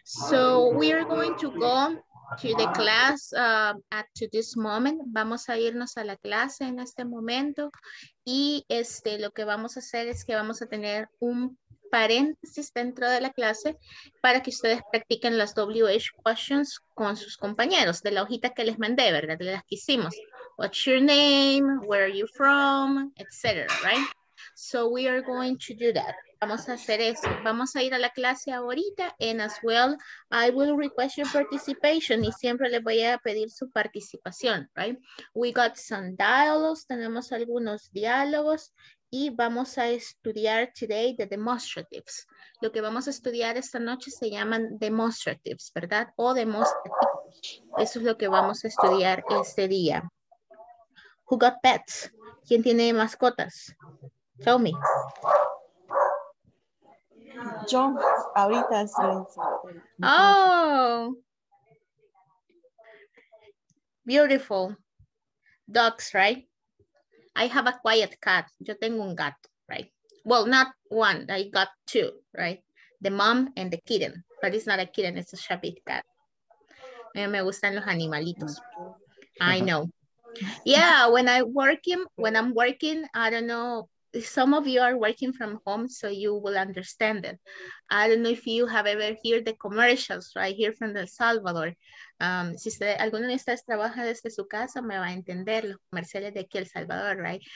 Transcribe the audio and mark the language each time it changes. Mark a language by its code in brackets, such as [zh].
[en] So we are going to go to the class at to this moment. [es] Vamos a irnos a la clase en este momento. Y este, lo que vamos a hacer es que vamos a tener un paréntesis dentro de la clase para que ustedes practiquen las WH questions con sus compañeros de la hojita que les mandé, ¿verdad? De las que hicimos. [en] What's your name? Where are you from? Etc. Right? So we are going to do that. [es] Vamos a hacer eso. Vamos a ir a la clase ahorita. [en] And as well, I will request your participation. [es] Y siempre les voy a pedir su participación. [en] Right? We got some dialogues. [es] Tenemos algunos diálogos. Y vamos a estudiar [en] today the demonstratives. [es] Lo que vamos a estudiar esta noche se llaman demonstratives, ¿verdad? O demonstrativos. Eso es lo que vamos a estudiar este día. [en] Who got pets? [es] ¿Quién tiene mascotas? [en] Tell me. [es] Yo, ahorita. Oh. [en] Beautiful. Dogs, right? I have a quiet cat. [es] Yo tengo un gato, [en] right? Well, not one. I got two, right? The mom and the kitten. But it's not a kitten. It's a shabby cat. [es] Me gustan los animalitos. [en] I know. Yeah, when I'm working, I don't know. Some of you are working from home, so you will understand it. I don't know if you have ever heard the commercials right here from El Salvador. [es] Si usted, alguno de ustedes trabaja desde su casa, me va a entender los comerciales de aquí El Salvador, right?